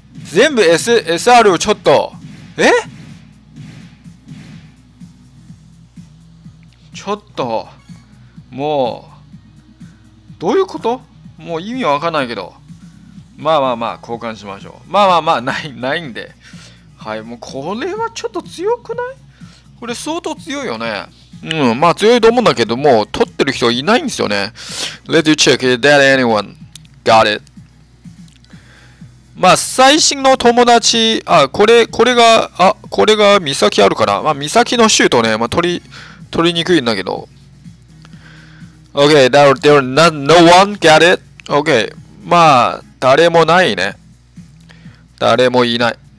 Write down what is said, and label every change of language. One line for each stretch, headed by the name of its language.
Japanese: 全部 SR をちょっと、え、ちょっともうどういうこと。もう意味わかんないけど、まあまあまあ交換しましょう。まあまあまあないんで。はい、もうこれはちょっと強くない？これ相当強いよね。うん、まあ強いと思うんだけども、取ってる人いないんですよね。
English: Let you check it, that anyone got it。
Japanese: まあ最新の友達、あ、これが岬あるから、まあ岬のシュートね、まあ取りにくいんだけど。
English: OK, no one got it。
Japanese: OK, まあ誰もないね、誰もいない。